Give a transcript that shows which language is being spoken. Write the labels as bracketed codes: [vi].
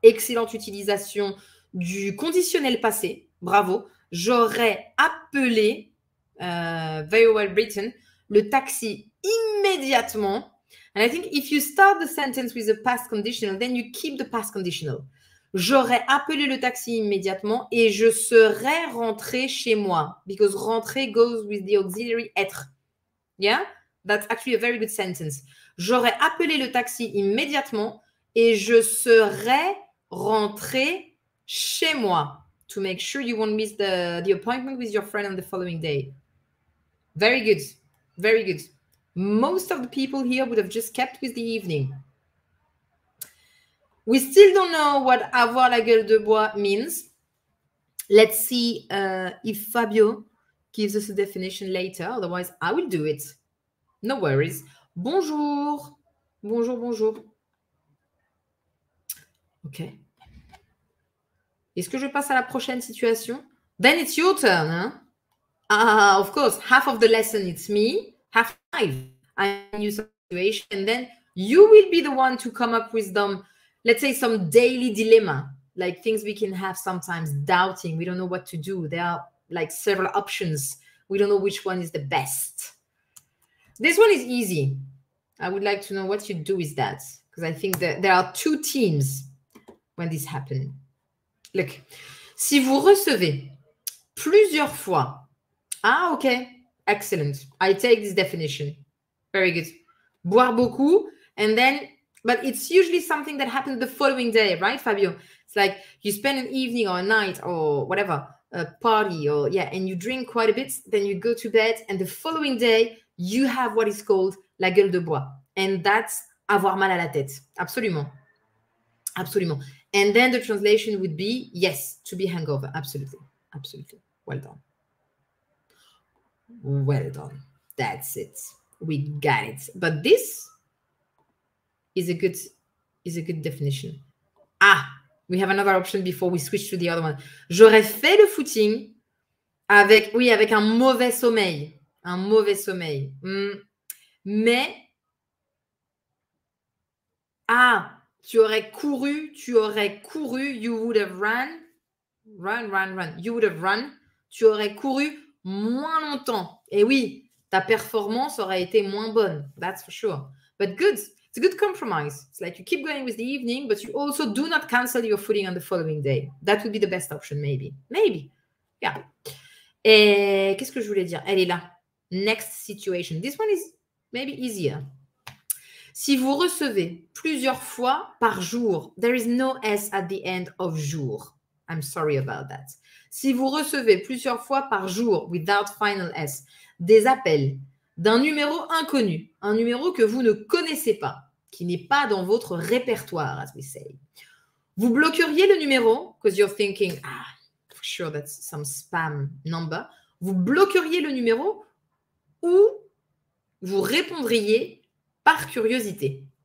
[fr] Excellente utilisation du conditionnel passé. Bravo. J'aurais appelé, [en] very well written, [fr] le taxi immédiatement. [en] And I think if you start the sentence with a past conditional, then you keep the past conditional. [fr] J'aurais appelé le taxi immédiatement et je serais rentré chez moi. [en] Because rentrer goes with the auxiliary être. Yeah? That's actually a very good sentence. [fr] J'aurais appelé le taxi immédiatement et je serais rentré chez moi. [en] To make sure you won't miss the appointment with your friend on the following day. Very good. Very good. Most of the people here would have just kept with the evening. We still don't know what avoir la gueule de bois means. Let's see if Fabio gives us a definition later. Otherwise, I will do it. No worries. [fr] Bonjour. Bonjour, bonjour. OK. Est-ce que je passe à la prochaine situation? [en] Then it's your turn. Hein? Of course, half of the lesson, it's me. Half five. I'm new situation. And then you will be the one to come up with them. Let's say some daily dilemma, like things we can have sometimes doubting. We don't know what to do. There are like several options. We don't know which one is the best. This one is easy. I would like to know what you do with that, because I think that there are two teams when this happens. [fr] Look, si vous recevez plusieurs fois, ah ok, excellent. [en] I take this definition. Very good. [fr] Boire beaucoup, [en] and then, but it's usually something that happens the following day, right, Fabio? It's like you spend an evening or a night or whatever, a party or yeah, and you drink quite a bit, then you go to bed, and the following day you have what is called la gueule de bois, and that's [fr] avoir mal à la tête. Absolument, absolument. [en] And then the translation would be yes, to be hungover. Absolutely, absolutely. Well done. Well done. That's it. We got it. But this is a good definition. Ah, we have another option before we switch to the other one. [fr] J'aurais fait le footing avec, oui, avec un mauvais sommeil. Un mauvais sommeil. Mais, ah, tu aurais couru, [en] you would have run, [fr] run, run, run, you would have run, tu aurais couru moins longtemps. Et oui, ta performance aurait été moins bonne, [en] that's for sure. But good, it's a good compromise. It's like you keep going with the evening, but you also do not cancel your footing on the following day. That would be the best option, maybe. Maybe. Yeah. [fr] Et qu'est-ce que je voulais dire? Elle est là. [en] Next situation. This one is maybe easier. [fr] Si vous recevez plusieurs fois par jour, [en] there is no S at the end of jour. I'm sorry about that. [fr] Si vous recevez plusieurs fois par jour, without final S, des appels d'un numéro inconnu, un numéro que vous ne connaissez pas, qui n'est pas dans votre répertoire, as we say, vous bloqueriez le numéro, [en] because you're thinking, ah, for sure that's some spam number, [fr] vous bloqueriez le numéro ou vous répondriez par curiosité.